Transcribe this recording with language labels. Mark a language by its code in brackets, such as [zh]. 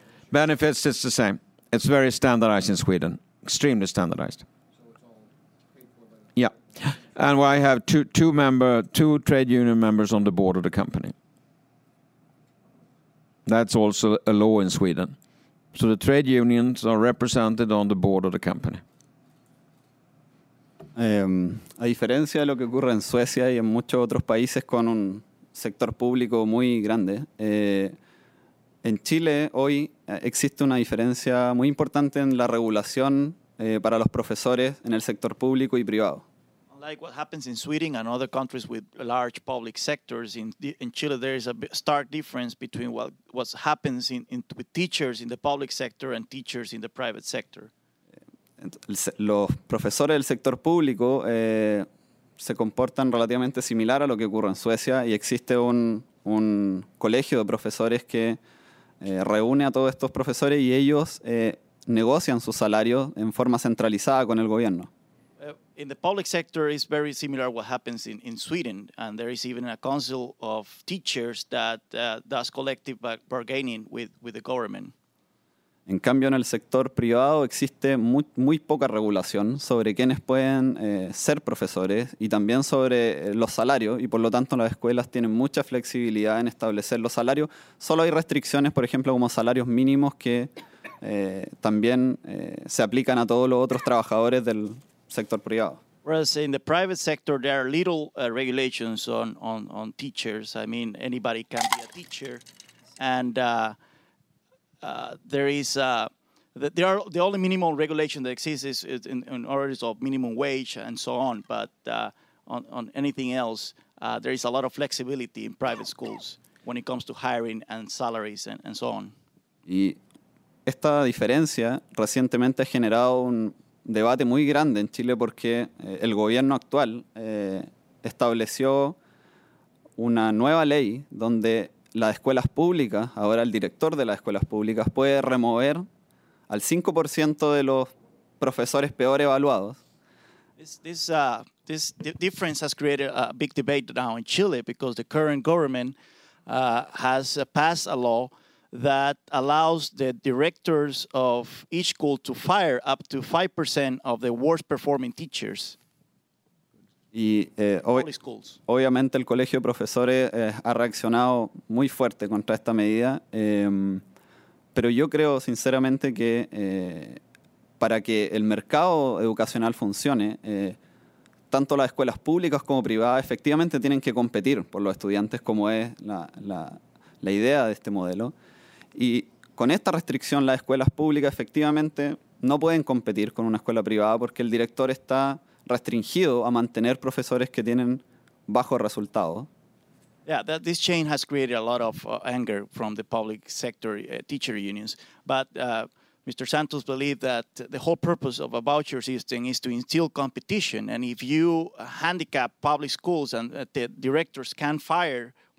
[en] Benefits, it's the same. It's very standardized in Sweden, extremely standardized. Yeah. And I have two trade union members on the board of the company. That's also a law in Sweden. So the trade unions are represented on the board of the company. [es] A diferencia de lo que ocurre en Suecia y en muchos otros países con un sector público muy grande, en Chile hoy existe una diferencia muy importante en la regulación para los profesores en el sector público y privado. [en] Unlike what happens in Sweden and other countries with large public sectors, in Chile there is a stark difference between what happens with teachers in the public sector and teachers in the private sector. [es] Los profesores del sector público se comportan relativamente similar a lo que ocurre en Suecia y existe un colegio de profesores que reúne a todos estos profesores y ellos negocian su salario en forma centralizada con el gobierno. [en] In the public sector is very similar to what happens in Sweden, and there is even a council of teachers that does collective bargaining with the government. [es] En cambio, en el sector privado existe muy, muy poca regulación sobre quiénes pueden ser profesores y también sobre los salarios, y por lo tanto las escuelas tienen mucha flexibilidad en establecer los salarios. Solo hay restricciones, por ejemplo, como salarios mínimos que también se aplican a todos los otros trabajadores del sector privado. [en] Whereas in the private sector, there are little regulations on teachers. I mean, anybody can be a teacher. And the only minimum regulation that exists is in orders of minimum wage and so on. But on anything else, there is a lot of flexibility in private schools when it comes to hiring and salaries and so on. [es] Y esta diferencia recientemente ha generado un debate muy grande en Chile porque el gobierno actual estableció una nueva ley donde las escuelas públicas, ahora el director de las escuelas públicas, puede remover al 5% de los profesores peor evaluados. [en] This difference has created a big debate now in Chile because the current government has passed a law that allows the directors of each school to fire up to 5% of the worst performing teachers. [es] Y obviamente el Colegio de Profesores ha reaccionado muy fuerte contra esta medida, pero yo creo sinceramente que para que el mercado educacional funcione, tanto las escuelas públicas como privadas efectivamente tienen que competir por los estudiantes, como es la idea de este modelo. Y con esta restricción las escuelas públicas efectivamente no pueden competir con una escuela privada porque el director está restringido a mantener profesores que tienen bajo resultado. [en] Yeah, this chain has created a lot of anger from the public sector teacher unions. But Mr. Santos believes that the whole purpose of a voucher system is to instill competition. And if you handicap public schools and the directors can fire